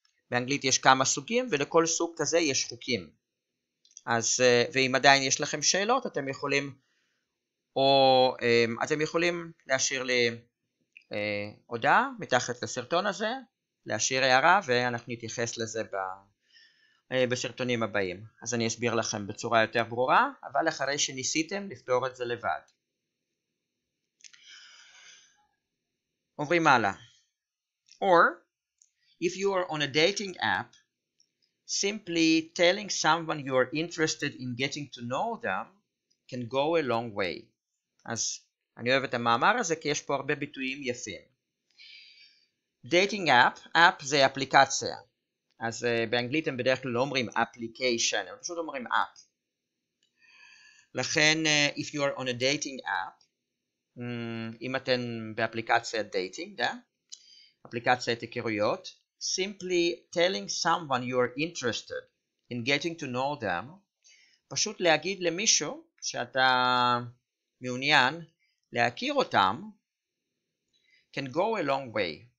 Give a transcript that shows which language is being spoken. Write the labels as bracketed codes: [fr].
[he] באנגלית יש כמה סוגים, ולכל סוג כזה יש חוקים. אז, ואם עדיין יש לכם שאלות, אתם יכולים, או אתם יכולים להשאיר לי הודעה מתחת לסרטון הזה, להשאיר הערה, ואנחנו נתייחס לזה בסרטונים הבאים. אז אני אסביר לכם בצורה יותר ברורה, אבל אחרי שניסיתם לפתור את זה לבד. עוברים הלאה. [en] Or, if you are on a dating app, simply telling someone you are interested in getting to know them can go a long way. [he] אז אני אוהב את המאמר הזה כי יש פה הרבה ביטויים יפים. Dating app, app זה אפליקציה. אז באנגלית הם בדרך כלל לא אומרים application, הם פשוט אומרים app. [en] לכן, if you are on a dating app, [he] אם אתם באפליקציה דייטינג, אפליקציה את היכרויות, [en] simply telling someone you are interested in getting to know them, [he] פשוט להגיד למישהו שאתה מעוניין להכיר אותם, [en] can go a long way.